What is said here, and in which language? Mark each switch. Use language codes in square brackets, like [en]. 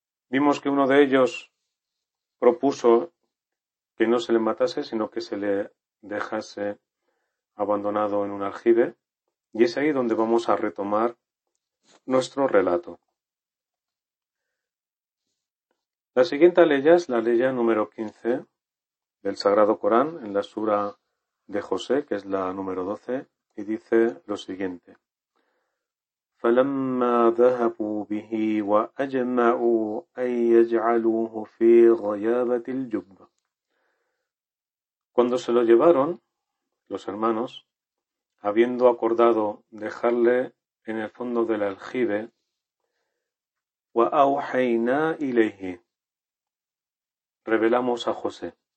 [es] Vimos que uno de ellos propuso que no se le matase, sino que se le dejase abandonado en un aljibe. Y es ahí donde vamos a retomar nuestro relato. La siguiente aleya es la aleya número 15 del Sagrado Corán, en la sura de José, que es la número 12. Y dice lo siguiente: [ar] فلما ذهبوا به وأجمعوا أن يجعلوه في غيابة الجب. [es] Cuando se lo llevaron los hermanos, habiendo acordado dejarle en el fondo del aljibe, [ar] وأوحينا إليه, [es] revelamos a José.